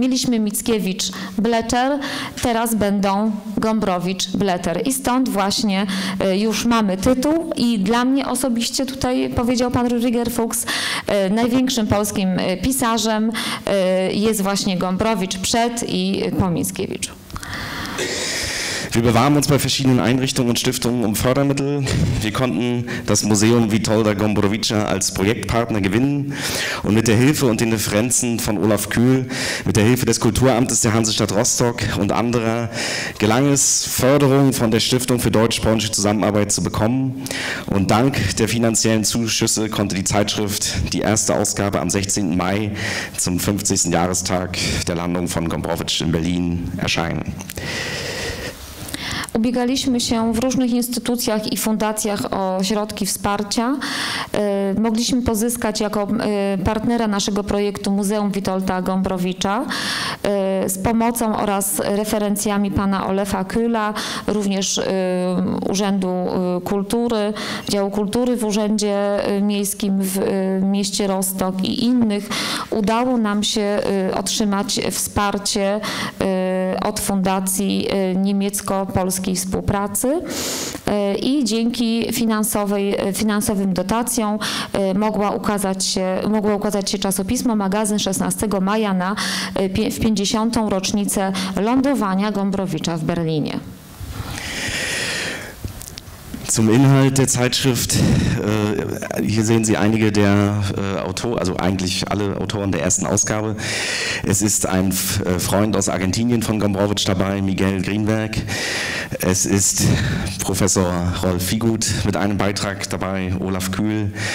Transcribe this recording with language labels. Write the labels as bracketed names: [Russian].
[Polish] Mieliśmy Mickiewicz Blecher, teraz będą Gombrowicz Blecher. I stąd właśnie już mamy tytuł i dla mnie osobiście tutaj powiedział pan Rüdiger Fuchs, największym polskim pisarzem jest właśnie Gombrowicz przed i po Mickiewiczu. [German] Wir bewarben uns bei verschiedenen Einrichtungen und Stiftungen um Fördermittel. Wir konnten das Museum Witolda Gombrowicza als Projektpartner gewinnen. Und mit der Hilfe und den Differenzen von Olaf Kühl, mit der Hilfe des Kulturamtes der Hansestadt Rostock und anderer, gelang es, Förderung von der Stiftung für deutsch-polnische Zusammenarbeit zu bekommen. Und dank der finanziellen Zuschüsse konnte die Zeitschrift die erste Ausgabe am 16. Mai zum 50. Jahrestag der Landung von Gombrowicz in Berlin erscheinen. [Polish] Ubiegaliśmy się w różnych instytucjach i fundacjach o środki wsparcia. Mogliśmy pozyskać jako partnera naszego projektu Muzeum Witolda Gombrowicza z pomocą oraz referencjami pana Olafa Kühla, również Urzędu Kultury, Działu Kultury w Urzędzie Miejskim w mieście Rostock i innych. Udało nam się otrzymać wsparcie od Fundacji Niemiecko-Polskiej Współpracy i dzięki finansowym dotacjom mogło ukazać się czasopismo Magazyn 16 maja w 50. rocznicę lądowania Gombrowicza w Berlinie. [German] Zum Inhalt der Zeitschrift, hier sehen Sie einige der Autoren, also eigentlich alle Autoren der ersten Ausgabe. Es ist ein Freund aus Argentinien von Gombrowicz dabei, Miguel Greenberg. Es ist Professor Rolf Figut mit einem Beitrag dabei, Olaf Kühl.